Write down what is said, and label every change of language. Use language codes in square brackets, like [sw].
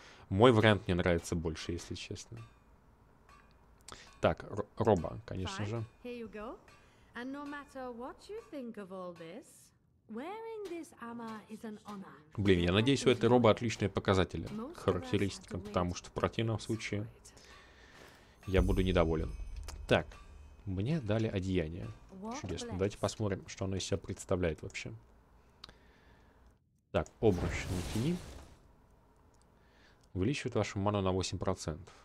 [ru] Мой вариант мне нравится больше, если честно. Так, роба, конечно же. [en] And no matter what you think of all this, wearing this armor is an honor. [ru] Блин, я надеюсь, у этой робы отличные показатели, характеристикам, потому что в противном случае я буду недоволен. Так, мне дали одеяние. Чудесно. Давайте посмотрим, что оно из себя представляет вообще. Так, обруч натяни. Увеличивает вашу ману на 8%.